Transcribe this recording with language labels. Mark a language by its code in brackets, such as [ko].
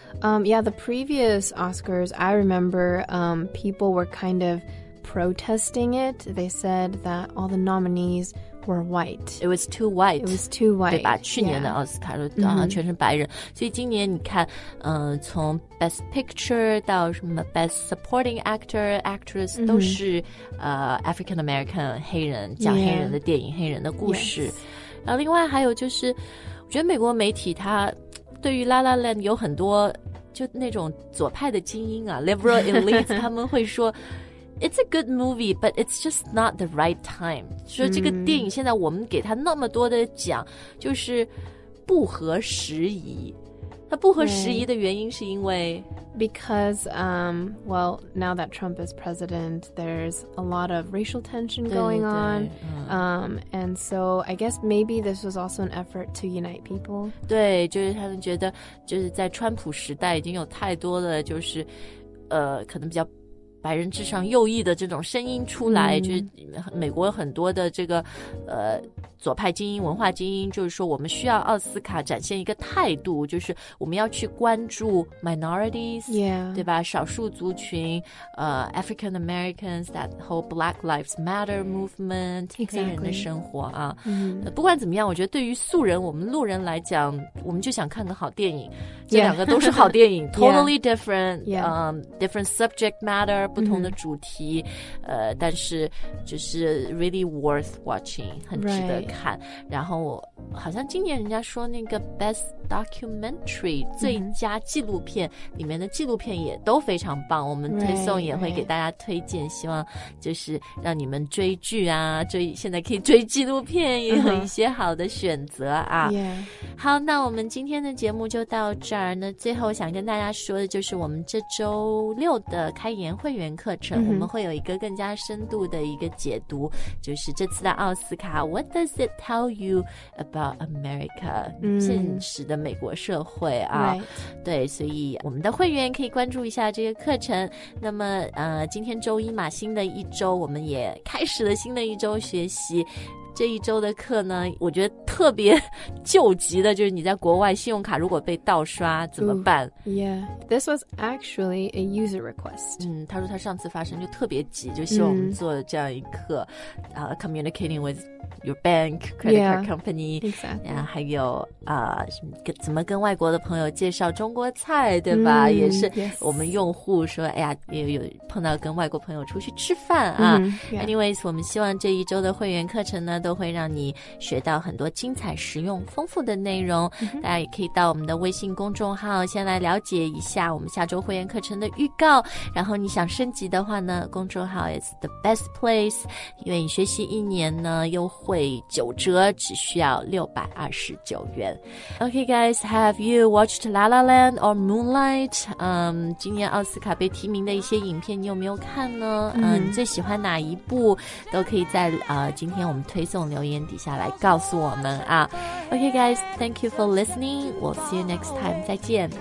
[en] Yeah, the previous Oscars, I remember people were kind of protesting it. They said that all the nominees were white. It was too white. It was too white. [zh] 对吧? 去年的奥斯卡都全是白人。 Mm-hmm. 所以今年你看, 从 Best Picture 到什么 Best Supporting Actor, Actress, mm-hmm. 都是, African American, 黑人, 讲黑人的电影, [en] yeah. [zh] 黑人的故事。 [en] Yes. [zh] 然后另外还有就是, 我觉得美国媒体它, 对于La La Land 有很多, 就那种左派的精英啊, [en] liberal elites, [zh] 他们会说, [en] It's a good movie, but it's just not the right time. [zh] 说这个电影现在我们给它那么多的奖, 就是不合时宜。它不合时宜的原因是因为, [en] Because, well, now that Trump is president, there's a lot of racial tension going on. And so I guess maybe this was also an effort to unite people. [zh] 对，就是他们觉得就是在川普时代已经有太多的就是可能比较 白人至上右翼的这种声音出来, 就是美国很多的这个左派精英文化精英, 就是说我们需要奥斯卡展现一个态度, 就是我们要去关注 minorities, [en] yeah. [zh] 对吧, 少数族群, [en] African Americans, that whole Black Lives Matter movement, exactly. [zh] 黑人的生活, 啊, mm-hmm. 不管怎么样, 我觉得对于素人, 我们路人来讲, 我们就想看个好电影, [en] yeah. [zh] 这两个都是好电影, [en] totally different, yeah. Different subject matter, [zh] 不同的主题, [en] mm-hmm. [zh] 但是就是 [en] really worth watching, [zh] 很值得看。 [en] Right. [zh] 然后好像今年人家说那个 [en] best documentary, [zh] mm-hmm. 最佳纪录片, 里面的纪录片也都非常棒, 我们推送也会给大家推荐, [en] right, right. [zh] 希望就是让你们追剧啊, 现在可以追纪录片, 也有一些好的选择啊。 [en] Uh-huh. Yeah. [zh] 好, 那我们今天的节目就到这儿,这儿，那最后想跟大家说的就是我们这周六的开言会员课程，我们会有一个更加深度的一个解读，就是这次的奥斯卡 [en] What does it tell you about America？ [zh] 现实的美国社会啊， [en] right. [zh] 对，所以我们的会员可以关注一下这个课程。那么今天周一嘛，新的一周我们也开始了新的一周学习。这一周的课呢，我觉得特别救急的就是你在国外信用卡如果被盗刷怎么办。 [en] Ooh, Yeah, this was actually a user request. [zh] 他说他上次发生就特别急，就希望我们做这样一课 [en] communicating with your bank, credit yeah, card company. Exactly. [zh] 然后还有怎么跟外国的朋友介绍中国菜，对吧？也是我们用户说，哎呀，也有碰到跟外国朋友出去吃饭啊。 [en] Anyways, [zh] 我们希望这一周的会员课程呢都会让你学到很多精彩实用丰富的内容，大家也可以到我们的微信公众号先来了解一下我们下周会员课程的预告，然后你想升级的话呢，公众号 [en] is the best place, [zh] 因为你学习一年呢优惠九折，只需要629元。 [en] Okay guys, have you watched La La Land or Moonlight? [zh] 今年奥斯卡被提名的一些影片你有没有看呢？你最喜欢哪一部都可以在今天我们推送留言底下来告诉我们啊。 [en] Okay guys, thank you for listening. We'll see you next time. [zh] 再见。